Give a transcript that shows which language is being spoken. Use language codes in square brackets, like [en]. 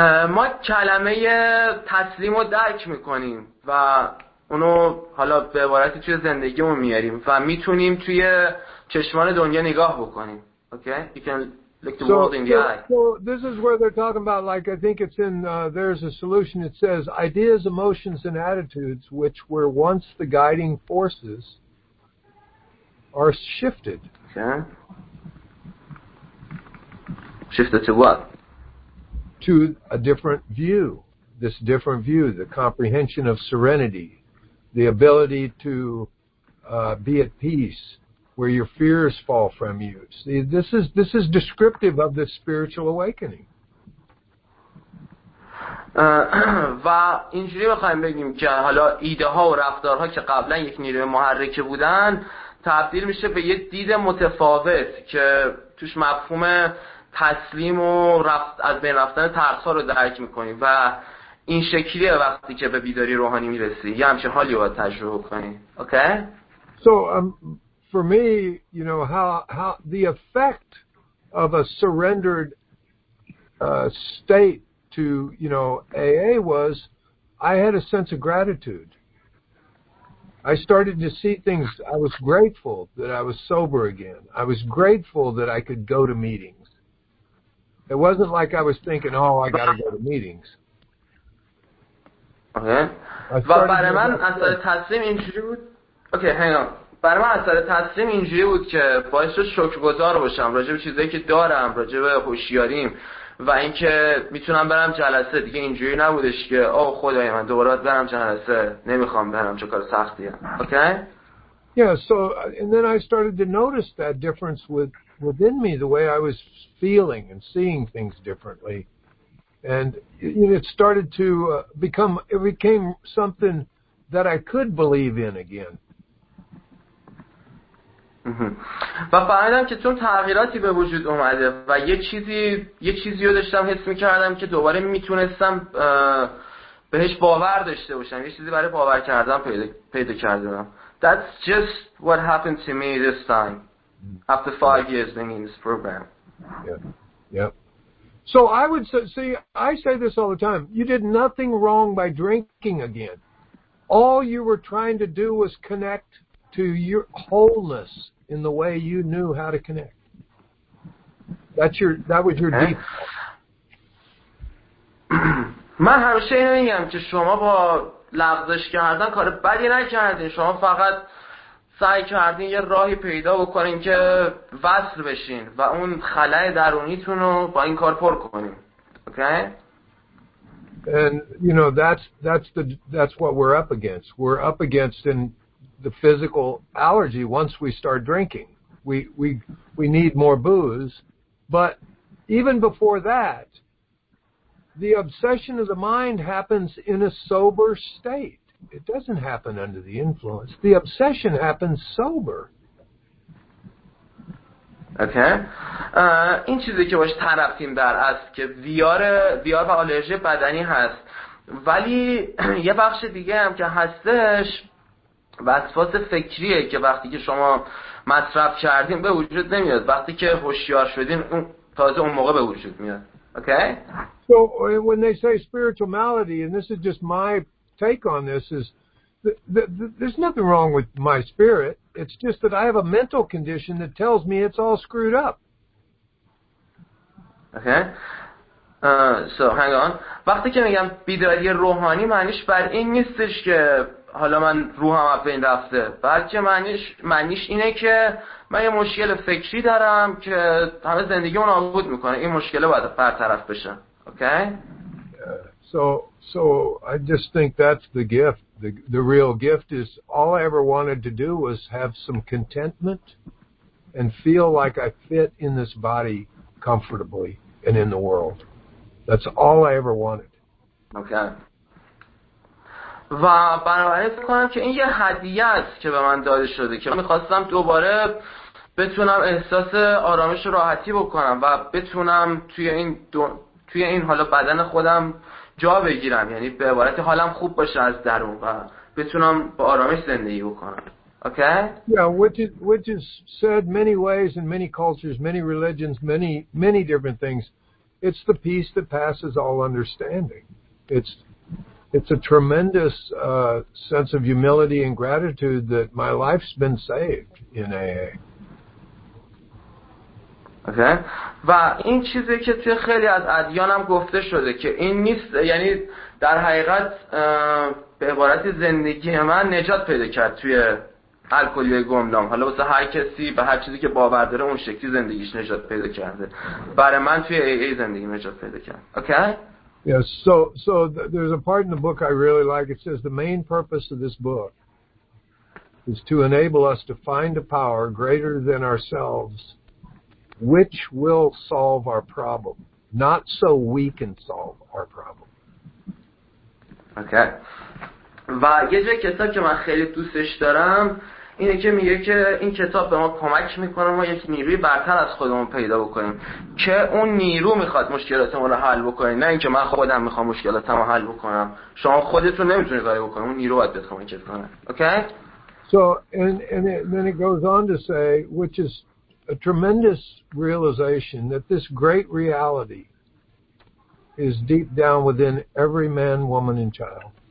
[fa] ما کلمه تسلیم رو درک میکنیم و اونو حالا به عبارتی توی زندگیمون میاریم و میتونیم توی چشمان دنیا نگاه بکنیم. [en] Okay? You can look the world in the eye. So this is where they're talking about, like, I think it's in, there's a solution. It says, ideas, emotions, and attitudes, which were once the guiding forces, are shifted. Okay. Shifted to what? To a different view. this different view, the comprehension of serenity, the ability to be at peace, where your fears fall from you. See, this is descriptive of the spiritual awakening. [fa] و اینجوری بخوایم بگیم که حالا ایده ها و رفتارها که قبلا یک نیروی محرکه بودن تبدیل میشه به یک دید متفاوت که توش مفهوم تسلیم و رفت از بین رفتن ترس ها رو درک میکنیم و این شکلیه وقتی که به بیداری روحانی میرسی یه همچین حالی باید تجربه کنیم. [en] Okay? So for me, you know, how the effect of a surrendered state to, you know, AA was, I had a sense of gratitude. I started to see things. I was grateful that I was sober again. I was grateful that I could go to meetings. It wasn't like I was thinking, oh, I got to go to meetings. [fa] برای من اثر تسلیم اینجوری بود که باعث شد شکرگزار باشم راجع به چیزایی که دارم، راجع به هوشیاریم و اینکه میتونم برم جلسه. دیگه اینجوری نبودش که آه خدای من دوباره برم جلسه، نمیخوام برم چه کار سختیه. [en] Okay? Yeah, so and then I started to notice that difference within me, the way I was feeling and seeing things differently. And it started to become, it became something that I could believe in again. [fa] و فهمیدم که چون تغییراتی به وجود اومده و یه چیزی رو داشتم حس می‌کردم که دوباره میتونستم بهش باور داشته باشم، یه چیزی برای باور کردن پیدا کردم. [en] That's just what happened to me this time after 5 years being in this program. So I would say, see, I say this all the time, you did nothing wrong by drinking again. All you were trying to do was connect to your wholeness in the way you knew how to connect. That was your deep. [fa] من همیشه اینو میگم که شما با لغزش کردن کار بدی نکردین، شما فقط سعی کردین یه راهی پیدا بکنین که وصل بشین و اون خلأ درونیتون رو با این کار پر کنین. [en] Okay? And you know that's what we're up against. We're up against in the physical allergy once we start drinking. We need more booze. But even before that, the obsession of the mind happens in a sober state. It doesn't happen under the influence. The obsession happens sober. Okay. [fa] این چیزی که باش طرفیم در است که ویار و آلرژی بدنی هست، ولی یه بخش دیگه هم که هستش وسواس فکریه که وقتی که شما مصرف کردین به وجود نمیاد، وقتی که هوشیار شدین اون تازه اون موقع به وجود میاد. [en] Okay? So when they say spiritual malady, and this is just my take on this, is there's nothing wrong with my spirit. It's just that I have a mental condition that tells me it's all screwed up. Okay. So hang on. [fa] وقتی که میگم بیداری روحانی معنیش بر این نیستش که حالا من روحم از بین رفته، بلکه معنیش اینه که من یه مشکل فکری دارم که همه زندگیمو نابود میکنه، این مشکل باید برطرف بشه. [en] Okay? So I just think that's the gift. The real gift is all I ever wanted to do was have some contentment and feel like I fit in this body comfortably and in the world. That's all I ever wanted. Okay. [fa] و بنابراین فکر کنم که این یه هدیه است که به من داده شده که میخواستم دوباره بتونم احساس آرامش و راحتی بکنم و بتونم توی این حالا بدن خودم جا بگیرم، یعنی به عبارت حالم خوب باشه از درون و بتونم با آرامش زندگی بکنم. [en] Okay? Yeah, which is said many ways in many cultures, many religions, many different things. It's the peace that passes all understanding. It's a tremendous sense of humility and gratitude that my life's been saved in AA. Okay. [fa] و این چیزی که توی خیلی از ادیان هم گفته شده که این نیست، یعنی در حقیقت به عبارت زندگی من نجات پیدا کرد توی الکلی گمنام. حالا واسه هر کسی به هر چیزی که باور داره اون شکلی زندگیش نجات پیدا کرده. برای من توی AA زندگی نجات پیدا کرد. [en] Okay. Yes. So there's a part in the book I really like. It says the main purpose of this book is to enable us to find a power greater than ourselves, which will solve our problem, not so we can solve our problem. Okay. [fa] و یه جای کتاب که من خیلی دوستش دارم اینه که میگه که این کتاب به ما کمک میکنه ما یک نیروی برتر از خودمون پیدا بکنیم که اون نیرو میخواد مشکلاتمون رو حل بکنه، نه اینکه من خودم میخوام مشکلاتم رو حل بکنم. شما خودتون نمیتونی کاری بکنی، اون نیرو باید بتونه کار کنه. [en] Okay. So and then it goes on to say, which is a tremendous realization, that this great reality is deep down within every man, woman and child.